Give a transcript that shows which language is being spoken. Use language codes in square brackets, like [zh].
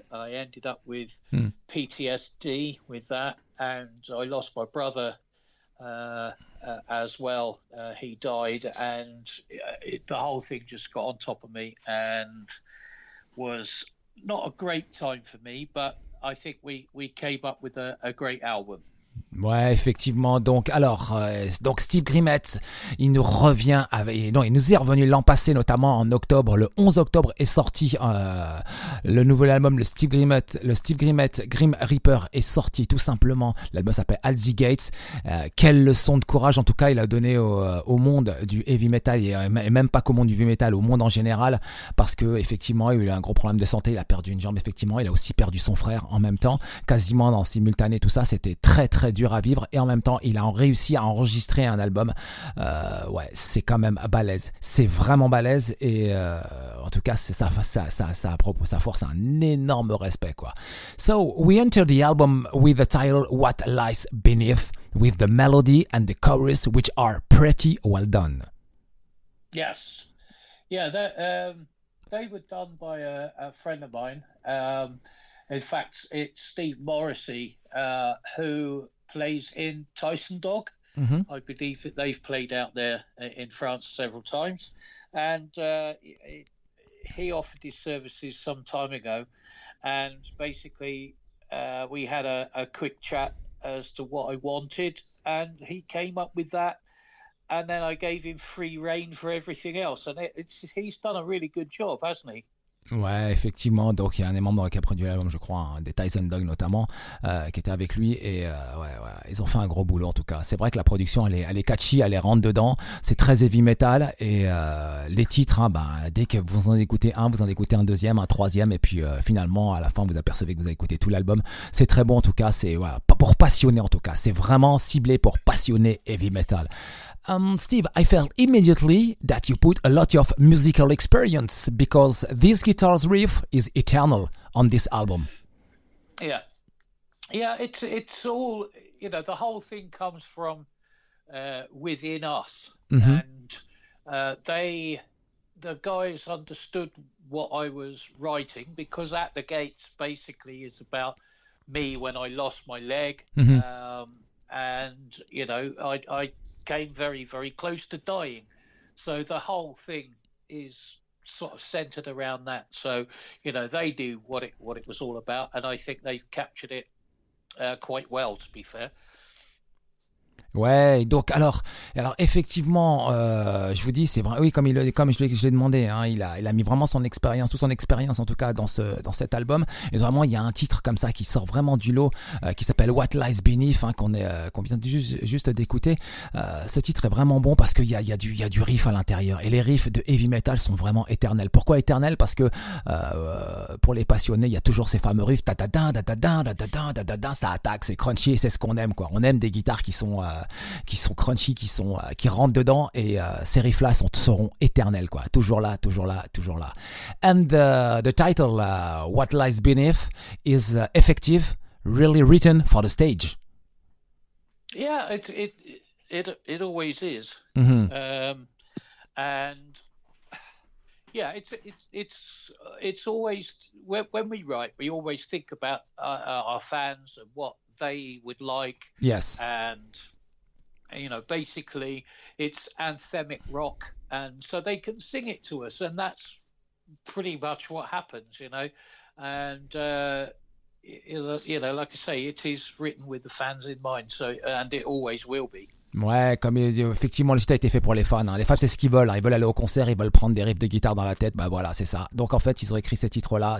[en] I ended up with PTSD with that, and I lost my brother as well. He died, and the whole thing just got on top of me and was not a great time for me, but I think we came up with a great album. [fr] Ouais, effectivement. Donc Steve Grimmett, il nous revient avec, non, il nous est revenu l'an passé, notamment en octobre. Le 11 octobre est sorti le nouvel album, le Steve Grimmett Grim Reaper est sorti, tout simplement. L'album s'appelle At the Geist. Quelle leçon de courage, en tout cas, il a donné au monde du heavy metal, et même pas qu'au monde du heavy metal, au monde en général, parce que effectivement, il a eu un gros problème de santé, il a perdu une jambe, effectivement, il a aussi perdu son frère en même temps, quasiment en simultané, tout ça. C'était très, très dur à vivre, et en même temps il a réussi à enregistrer un album. Ouais, c'est quand même balèze, c'est vraiment balèze, et en tout cas c'est ça à propos, ça force un énorme respect, quoi. [en] So we enter the album with the title What Lies Beneath, with the melody and the chorus which are pretty well done. Yes, yeah, they were done by a friend of mine. In fact, it's Steve Morrissey who plays in Tyson Dog. Mm-hmm. I believe that they've played out there in France several times. And he offered his services some time ago. And basically, we had a quick chat as to what I wanted. And he came up with that. And then I gave him free rein for everything else. And he's done a really good job, hasn't he? [fr] Ouais, effectivement. Donc il y a un membre qui a produit l'album, je crois, hein, des Tyson Dog notamment, qui était avec lui, et ouais, ils ont fait un gros boulot. En tout cas, c'est vrai que la production elle est catchy, elle est rentre dedans, c'est très heavy metal, et les titres, hein, bah, dès que vous en écoutez un, vous en écoutez un deuxième, un troisième, et puis finalement à la fin vous apercevez que vous avez écouté tout l'album. C'est très bon, en tout cas, c'est ouais, pour passionner, en tout cas c'est vraiment ciblé pour passionner heavy metal. [en] Steve, I felt immediately that you put a lot of musical experience, because this guitar's riff is eternal on this album. Yeah. Yeah, it's all, you know, the whole thing comes from within us. Mm-hmm. And the guys understood what I was writing, because At the Geist basically is about me when I lost my leg. Mm-hmm. And, you know, I came very, very close to dying. So the whole thing is sort of centered around that. So, you know, they knew what it was all about, and I think they've captured it quite well, to be fair. [fr] Ouais, donc alors effectivement, je vous dis, c'est vrai, oui, comme je l'ai demandé, hein, il a mis vraiment son expérience, toute son expérience en tout cas dans cet album. Et vraiment, il y a un titre comme ça qui sort vraiment du lot, qui s'appelle What Lies Beneath, hein, qu'on vient juste d'écouter. Ce titre est vraiment bon parce qu'il y a du riff à l'intérieur, et les riffs de heavy metal sont vraiment éternels. Pourquoi éternels? Parce que pour les passionnés, il y a toujours ces fameux riffs, ta ta da da da da da da da da, ça attaque, c'est crunchy, c'est ce qu'on aime, quoi. On aime des guitares qui sont qui sont crunchy, qui sont qui rentrent dedans, et ces riffs là seront éternels, quoi, toujours là, toujours là, toujours là. [en] And the title What Lies Beneath is effective, really written for the stage. Yeah, it always is. Mm-hmm. And yeah, it's always when we write, we always think about our fans and what they would like. Yes. And you know, basically it's anthemic rock, and so they can sing it to us, and that's pretty much what happens, you know. And you know, like I say, it is written with the fans in mind, so, and it always will be. [fr] Ouais, comme effectivement, le site a été fait pour les fans. Hein. Les fans, c'est ce qu'ils veulent. Hein. Ils veulent aller au concert, ils veulent prendre des riffs de guitare dans la tête. Bah voilà, c'est ça. Donc en fait, ils ont écrit ces titres-là.